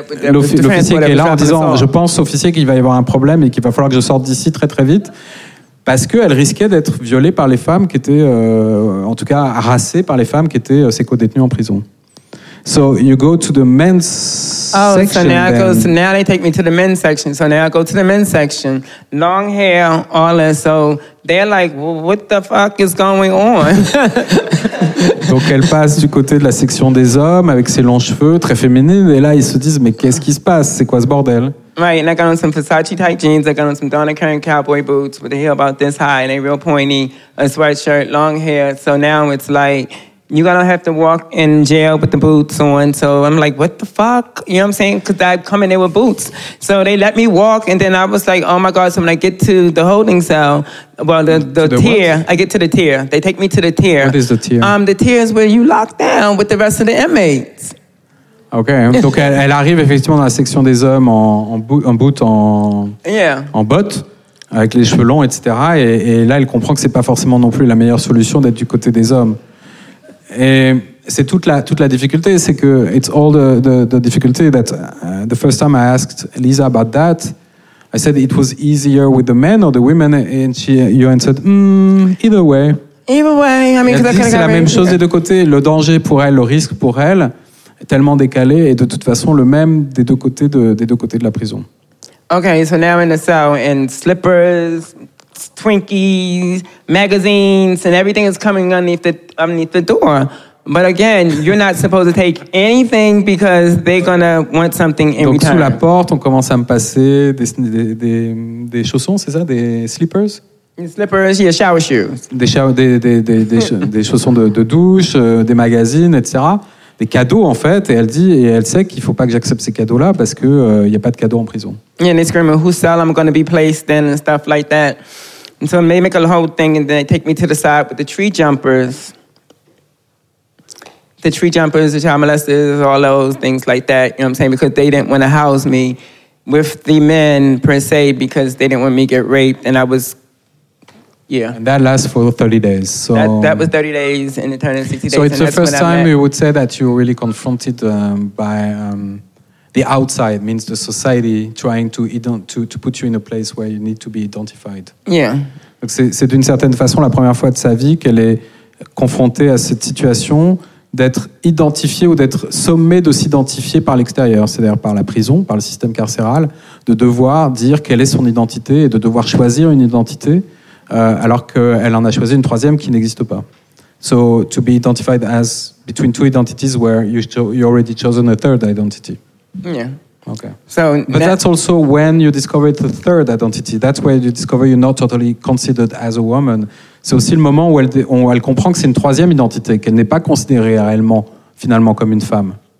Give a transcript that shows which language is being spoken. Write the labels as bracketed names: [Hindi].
[French] L'officier qui est là en disant, je pense, officier, qu'il va y avoir un problème et qu'il va falloir que je sorte d'ici très très vite. Parce qu'elle risquait d'être violée par les femmes qui étaient, en tout cas harassées par les femmes qui étaient ses co-détenues en prison. [English] So you go to the men's section. Oh, so now I go. So now they take me to the men's section. So now I go to the men's section. Long hair, all that. So they're like, well, "What the fuck is going on?" [French] Donc elle passe du côté de la section des hommes avec ses longs cheveux, très féminine. Et là, ils se disent, mais qu'est-ce qui se passe? C'est quoi ce bordel? [English] Right, and I got on some Versace tight jeans. I got on some Donna Karan cowboy boots with a heel about this high and a real pointy, a sweatshirt, long hair. So now it's like. You're going to have to walk in jail with the boots on. So I'm like, what the fuck? You know what I'm saying? Because I come in there with boots. So they let me walk. And then I was like, oh, my God. So when I get to the holding cell, well, I get to the tier. They take me to the tier. What is the tier? The tier is where you lock down with the rest of the inmates. Okay. [French] Donc elle arrive effectivement dans la section des hommes en bottes. Avec les cheveux longs, etc. Et là, elle comprend que ce n'est pas forcément non plus la meilleure solution d'être du côté des hommes. Et c'est toute la difficulté, c'est que [English] it's all the difficulty that the first time I asked Lisa about that, I said it was easier with the men or the women, and you answered either way. Either way, I mean, [French] elle dit c'est la même chose des deux côtés. Le danger pour elle, le risque pour elle, est tellement décalé et de toute façon le même des deux côtés de la prison. [English] Okay, so now in the cell in slippers. Twinkies, magazines, and everything is coming underneath the door. But again, you're not supposed to take anything because they're gonna want something in [French] Donc [English] return. [French] Sous la porte, on commence à me passer des chaussons, c'est ça, des slippers? [English] Slippers, yeah, shower shoes. [French] Des chaussons de douche, des magazines, etc. Des cadeaux en fait, et elle dit et elle sait qu'il faut pas que j'accepte ces cadeaux là parce que y a pas de cadeaux en prison. [English] Yeah, and they scream, who cell I'm gonna be placed in and stuff like that. And so they make a whole thing and then they take me to the side with the tree jumpers. The tree jumpers, the child molesters, all those things like that. You know what I'm saying? Because they didn't want to house me with the men per se because they didn't want me to get raped and I was. Yeah. And that lasts for 30 days. So that was 30 days and it turned into 60 days. So it's the first time you would say that you were really confronted by the outside, means the society trying to put you in a place where you need to be identified. Yeah. [French] Donc c'est d'une certaine façon la première fois de sa vie qu'elle est confrontée à cette situation d'être identifiée ou d'être sommée de s'identifier par l'extérieur, c'est-à-dire par la prison, par le système carcéral, de devoir dire quelle est son identité et de devoir choisir une identité. Alors qu'elle en a choisi une troisième qui n'existe pas. [English] So to be identified as between two identities where you already chosen a third identity. Yeah. Okay. So, but that's also when you discover the third identity. That's where you discover you're not totally considered as a woman. [French] C'est aussi le moment où elle comprend que c'est une troisième identité, qu'elle n'est pas considérée réellement finalement comme une femme.